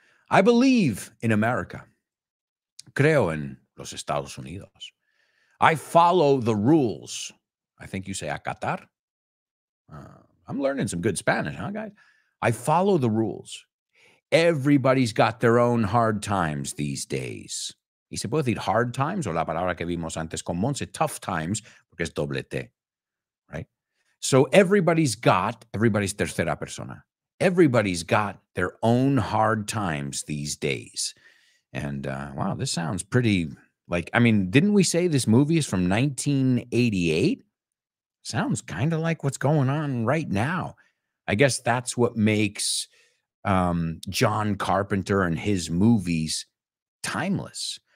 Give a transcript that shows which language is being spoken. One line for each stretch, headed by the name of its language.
English: I believe in America.
Spanish: Creo en los Estados Unidos.
English: I follow the rules. I think you say acatar. I'm learning some good Spanish, huh, guys? I follow the rules. Everybody's got their own hard times these days.
Spanish: Y se puede decir
English: hard times
Spanish: o la palabra que vimos antes con Monse,
English: tough times,
Spanish: porque es doble T, right?
English: So everybody's got, everybody's
Spanish: tercera persona.
English: Everybody's got their own hard times these days. And wow, this sounds pretty like, I mean, didn't we say this movie is from 1988? Sounds kind of like what's going on right now. I guess that's what makes John Carpenter and his movies timeless.